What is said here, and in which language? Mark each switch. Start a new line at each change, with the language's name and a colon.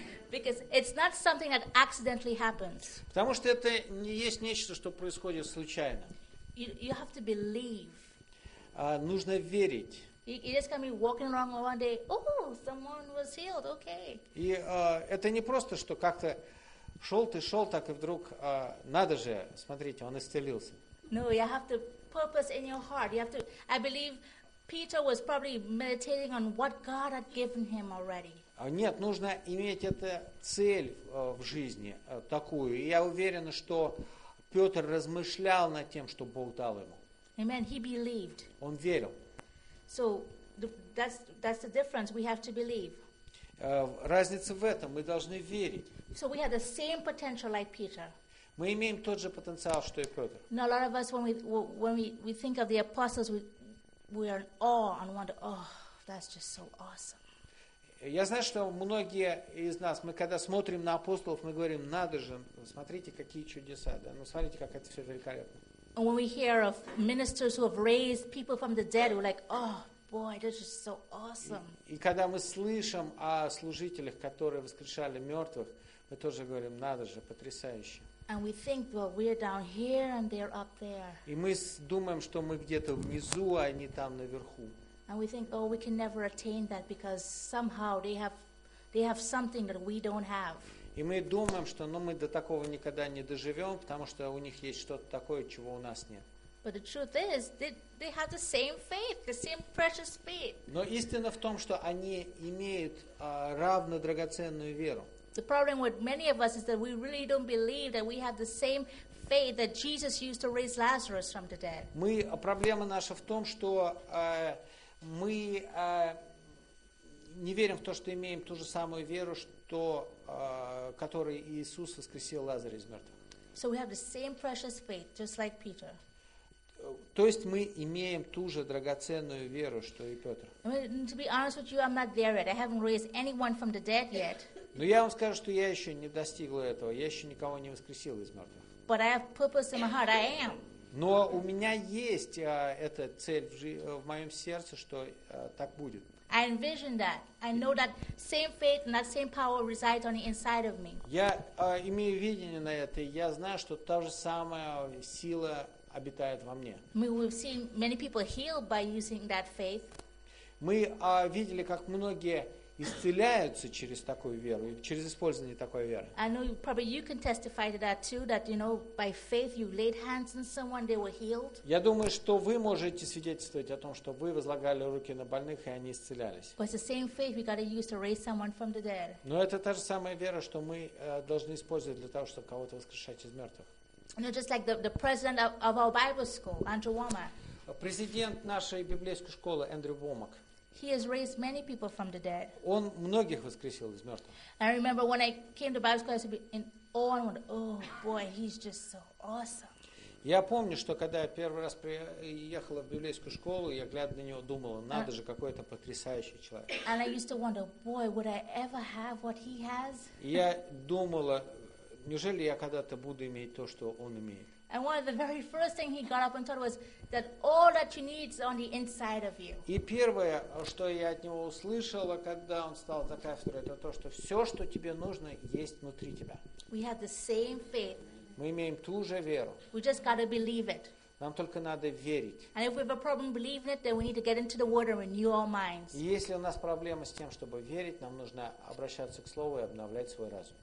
English: Because it's not something that accidentally happens.
Russian: Потому что это не есть нечто, что происходит случайно.
English: You have to believe.
Russian: Нужно верить.
English: You just can't be walking around one day, oh, someone was healed, okay.
Russian: И это не просто, что как-то шел ты, шел, так и вдруг, надо же, смотрите, он исцелился.
English: No, you have to purpose in your heart. You have to, I believe Peter was probably meditating on what God had given him already.
Russian: Нет, нужно иметь эту цель в жизни такую. И я уверен, что Петр размышлял над тем, что Бог дал ему.
English: Amen. He believed.
Russian: Он верил.
English: So that's the difference. We have to believe.
Russian: Разница в этом. Мы должны верить.
English: So we have the same potential like Peter.
Russian: Мы имеем тот же потенциал, что и Петр.
English: Now a lot of us, when we think of the apostles, we are in awe and wonder, oh, that's just so awesome.
Russian: Я знаю, что многие из нас, мы когда смотрим на апостолов, мы говорим, надо же, смотрите, какие чудеса, да? Ну, смотрите, как это все великолепно.
English: When we hear of ministers who have raised people from the dead, we're like, oh, boy, this is so awesome.
Russian: И когда мы слышим о служителях, которые воскрешали мертвых, мы тоже говорим, надо же, потрясающе.
English: And we think, well, we're down here and they're up there.
Russian: И мы думаем, что мы где-то внизу, а они там наверху.
English: And we think, oh, we can never attain that because somehow they have something that we don't have.
Russian: И мы думаем, что, ну, мы до такого никогда не доживем, потому что у них есть что-то такое, чего у нас нет.
English: But the truth is, they have the same faith, the same precious faith.
Russian: Но истина в том, что они имеют равно драгоценную веру.
English: The problem with many of us is that we really don't believe that we have the same faith that Jesus used to raise Lazarus from the dead.
Russian: Мы проблема наша в том, что мы не верим в то, что имеем ту же самую веру, что которой Иисус воскресил Лазаря из мертвых.
English: So we have the same precious faith, just like Peter.
Russian: То есть мы имеем ту же драгоценную веру, что и Петр.
English: I mean, to be honest with you, I'm not there yet. I haven't raised anyone from the dead yet.
Russian: Но я вам скажу, что я еще не достигла этого. Я еще никого не воскресил из мертвых.
English: But I have purpose in my heart. I am.
Russian: Но у меня есть эта цель в моем сердце, что так будет.
English: I envision that. I know that same faith and that same power reside on the inside of me.
Russian: Я имею видение на это, и я знаю, что та же самая сила обитает во мне.
English: We've seen many people healed by using that faith.
Russian: Мы видели, как многие исцеляются через такую веру, через использование такой веры.
English: I know probably you can testify to that too, that, you know, by faith you laid hands on someone, they were healed.
Russian: Я думаю, что вы можете свидетельствовать о том, что вы возлагали руки на больных, и они исцелялись.
English: But it's the same faith we got to use to raise someone from the dead.
Russian: Но это та же самая вера, что мы должны использовать для того, чтобы кого-то воскрешать из мертвых.
English: You know, just like the president of our Bible school, Andrew Womack.
Russian: Президент нашей библейской школы Эндрю Вомак.
English: He has raised many people from the dead.
Russian: Он многих воскресил из мертвых.
English: I remember when I came to Bible school, I was in awe and went, "Oh boy, he's just so awesome."
Russian: Я помню, что когда я первый раз приехала в библейскую школу, я глядя на него думала: "Надо же, какой это потрясающий человек."
English: And I used to wonder, "Boy, would I ever have what he has?"
Russian: Я думала: "Неужели я когда-то буду иметь то, что он имеет?"
English: And one of the very first things he got up and told was that all that you need is on the inside of you.
Russian: И первое, что я от него услышала, когда он стал за кафедрой, это то, что все, что тебе нужно, есть внутри тебя.
English: We have the same faith.
Russian: Мы имеем ту же веру.
English: We just got to believe it.
Russian: Нам только надо верить.
English: And if we have a problem believing it, then we need to get into the Word and renew our minds.
Russian: И если у нас проблема с тем, чтобы верить, нам нужно обращаться к Слову и обновлять свой разум.